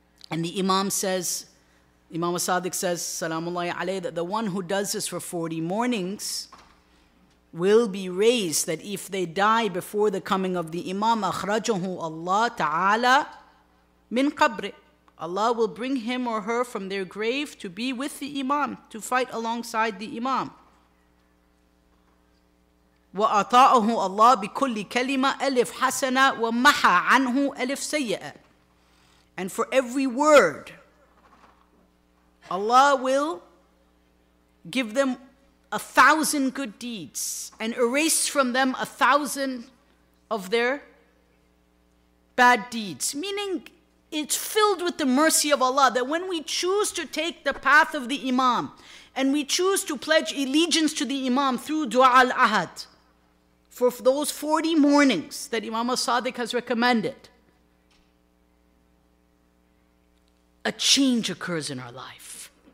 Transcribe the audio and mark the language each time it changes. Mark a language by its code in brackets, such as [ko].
[en] And the Imam says, Imam As-Sadiq says, Salamullahi alayhi, that the one who does this for 40 mornings will be raised, that if they die before the coming of the Imam, [ar] أخرجه الله تعالى من قبره, [en] Allah will bring him or her from their grave to be with the Imam, to fight alongside the Imam. [ar] وأطاعه الله بكل كلمة ألف حسنة ومحى عنه ألف سيئة. [en] And for every word, Allah will give them 1,000 good deeds and erase from them 1,000 of their bad deeds. Meaning, it's filled with the mercy of Allah that when we choose to take the path of the Imam and we choose to pledge allegiance to the Imam through Dua al-Ahad for those 40 mornings that Imam As-Sadiq has recommended, a change occurs in our life.